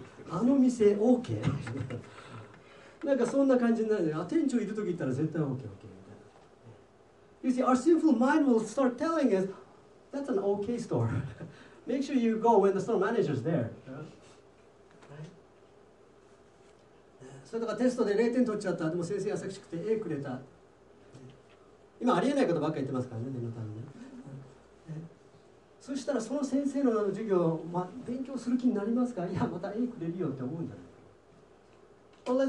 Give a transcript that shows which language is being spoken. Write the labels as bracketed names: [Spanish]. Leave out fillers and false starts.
[Japanese] あの店 OK? なんかそんな感じになるね。店長いるとき行ったら絶対 OK, OK. [English] You see, our sinful mind will start telling us, that's an OK store. Make sure you go when the store manager's there. [Japanese] それとかテストで0点取っちゃった。でも先生優しくて A くれた。今ありえないことばっかり言ってますからね、念のためね。そしたらその先生の授業、ま、勉強する気になりますか? いや、また A くれるよって思うんじゃない。